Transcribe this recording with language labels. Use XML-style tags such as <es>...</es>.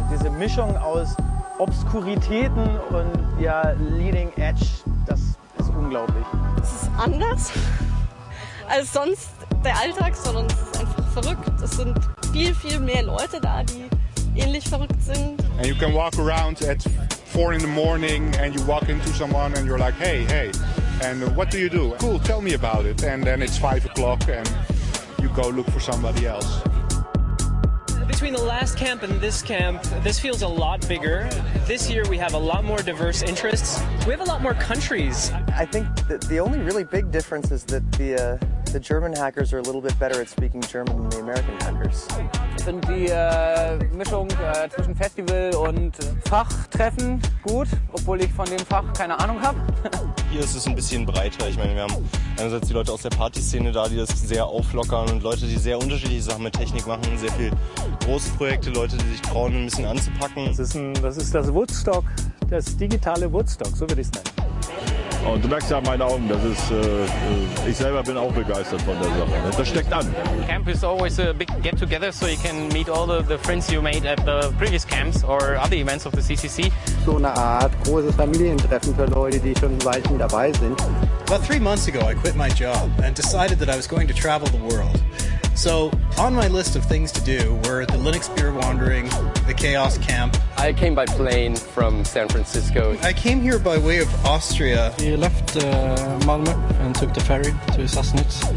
<de>Diese Mischung aus Obskuritäten und ja, Leading Edge, das ist unglaublich. Es ist anders als sonst der Alltag, sondern es ist einfach verrückt. Es sind viel, viel mehr Leute da, die ähnlich verrückt sind.</de> <en>And you can walk around at 4 in the morning and you walk into someone and you're like, hey, hey. And what do you do? Cool, tell me about it. And then it's 5 o'clock and you go look for somebody else. Between the last camp, this feels a lot bigger. This year we have a lot more diverse interests. We have a lot more countries. I think the only really big difference is that the German hackers are a little bit better at speaking German than the American hackers.</en> <de>Sind die Mischung zwischen Festival und Fachtreffen gut, obwohl ich von dem Fach keine Ahnung habe? Hier ist es ein bisschen breiter. Ich meine, wir haben einerseits die Leute aus der Partyszene da, die das sehr auflockern und Leute, die sehr unterschiedliche Sachen mit Technik machen, sehr viele große Projekte, Leute, die sich trauen, ein bisschen anzupacken. Das ist das Woodstock, das digitale Woodstock, so würde ich es nennen. Und du merkst ja in meinen Augen, das ist, ich selber bin auch begeistert von der Sache. Das steckt an.</de> <en>Camp is always a big get-together, so you can meet all the friends you made at the previous camps or other events of the CCC.</en> <de>So eine Art großes Familientreffen für Leute, die schon ein Weilchen dabei sind.</de> <en>About 3 months ago I quit my job and decided that I was going to travel the world. So on my list of things to do were the Linux Beer Wandering, the Chaos Camp. I came by plane from San Francisco. I came here by way of Austria. We left Malmö and took the ferry to Sassnitz.</en>